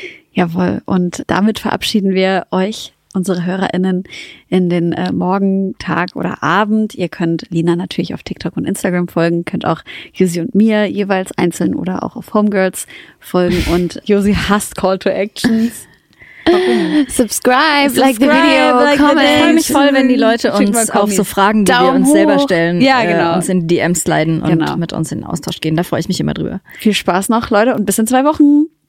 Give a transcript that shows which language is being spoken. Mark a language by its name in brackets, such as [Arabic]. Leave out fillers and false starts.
[German] Jawohl, und damit verabschieden wir euch, unsere HörerInnen, in den Morgen, Tag oder Abend. Ihr könnt Lina natürlich auf TikTok und Instagram folgen, könnt auch Josi und mir jeweils einzeln oder auch auf Homegirls folgen. Und Josi hasst Call to Actions. [English] Subscribe, like the video, like comment. [German] Ich freue mich voll, wenn die Leute uns auch so Fragen, die Daumen wir uns hoch. Selber stellen, ja, genau. Uns in die DMs sliden und genau. Mit uns in den Austausch gehen. Da freue ich mich immer drüber. Viel Spaß noch, Leute, und bis in 2 Wochen.